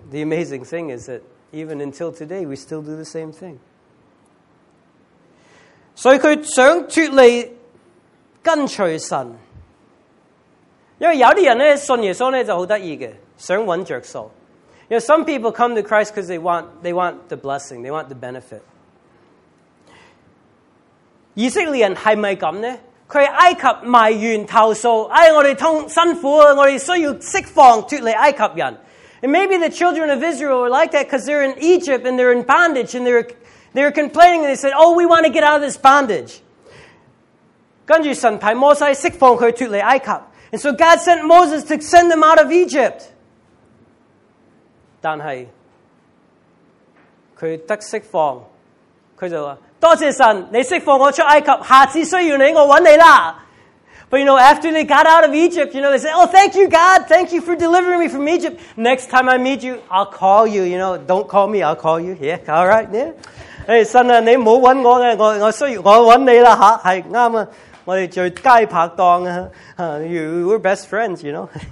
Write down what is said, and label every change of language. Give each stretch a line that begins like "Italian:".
English: The amazing thing is that even until today, we still do the same thing.
Cantonese: 所以佢想脱离跟随神，因为有啲人咧信耶稣咧就好得意嘅，想揾着数。
English: You know, some people come to Christ because they want the blessing, they want the benefit.
Cantonese: 以色列人系咪咁呢？佢系埃及埋怨投诉，哎，我哋痛辛苦啊，我哋需要释放脱离埃及人。
English: And maybe the children of Israel were like that because they're in Egypt and they're in bondage and they're complaining and they said, oh, we want to get out of this bondage.
Cantonese: 跟住神派摩西释放佢脱离埃及。
English: And so God sent Moses to send them out of Egypt.
Cantonese: 但是佢得释放，佢就话多谢神，你释放我出埃及，下次需要你我找你啦。
English: But you know, after they got out of Egypt, you know, they said, oh, thank you, God. Thank you for delivering me from Egypt. Next time I meet you, I'll call you. You know, don't call me, I'll call you. Yeah, all right, yeah.
Cantonese: Hey, 神啊，你唔好找我，我需要，我找你啦，吓，系啱啊。我哋最佳拍档啊，
English: we're best friends, you know.